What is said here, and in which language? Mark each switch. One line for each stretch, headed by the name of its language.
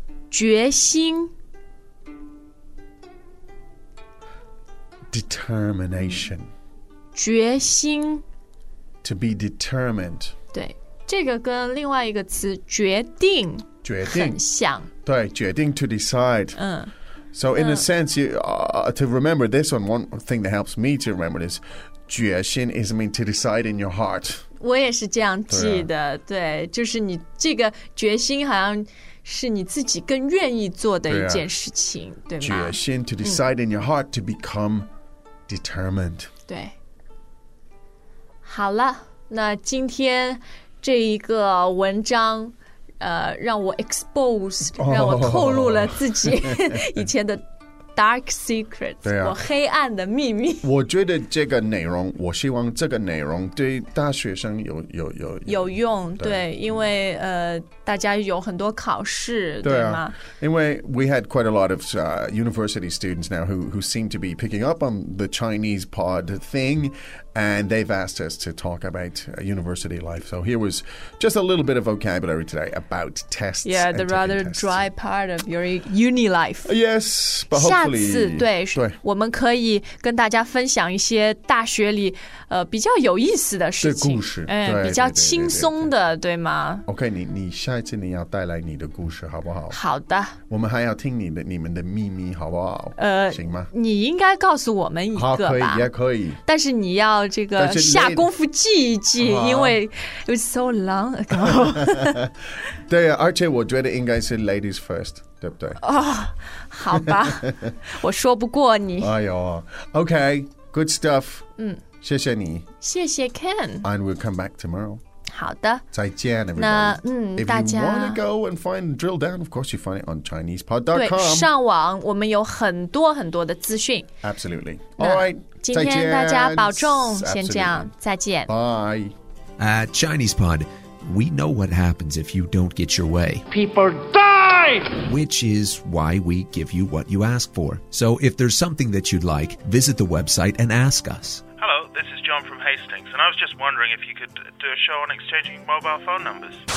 Chinese: 决心。
English: Determination.
Chinese: 决心
English: To be determined.
Chinese: 对，这个跟另外一个词决定很像。对，决定
English: to decide.、嗯、 so in、嗯、a sense, you,、to remember this one, one thing that helps me to remember this, 决心 is mean to decide in your heart.
Chinese: 我也是这样记的， 对,、啊、对，就是你这个决心好像是你自己更愿意做的一件事情， 对,、啊、对吗？
English: 决心 to decide、嗯、in your heart to become determined.
Chinese: 对，好了，那今天这一个文章，让我 exposed，、oh. 让我透露了自己以前的
English: dark secrets，、啊、
Chinese: 我黑暗的秘密。我觉得这个内容，我希望这个内容对大学生有用。对，因为大家有很多考试，对吗？
English: 因为 we had quite a lot of university students now who seem to be picking up on the Chinese pod thing, and they've asked us to talk about university life. So here was just a little bit of vocabulary today about tests. Yeah, the rather dry part of your uni life. Yes, but hopefully,
Chinese: 下次对，我们可以跟大家分享一些大学里比较有意思的事情，故事，比较轻松的，对吗
English: ？OK, 你。
Chinese: 下一次你要带来你的故事好不好？好的，我们还要听你们的秘密好不好？行吗？你应该告诉我们一个吧。好，可以，也可以，但是你要这个下功夫记一记，因为
English: it was so long ago。
Chinese: 对、啊、而且我觉得应该是
English: ladies first，
Chinese: 对不对？好吧，我说不过你。
English: 哎呦， OK, good stuff、嗯、
Chinese: 谢谢你，谢谢 Ken,
English: and we'll come back tomorrow。
Chinese: 好的，再见。那大家
English: if you want to go and find drill down, of course you find it on ChinesePod.com.
Chinese: 对，上网我们有很多很多的资讯。
English: Absolutely. All right.
Chinese: 今天大家保重，先这样，再见。
English: Bye. At ChinesePod, we know what happens if you don't get your way. People die! Which is why we give you what you ask for. So if there's something that you'd like, visit the website and ask us. This is John from Hastings, and I was just wondering if you could do a show on exchanging mobile phone numbers.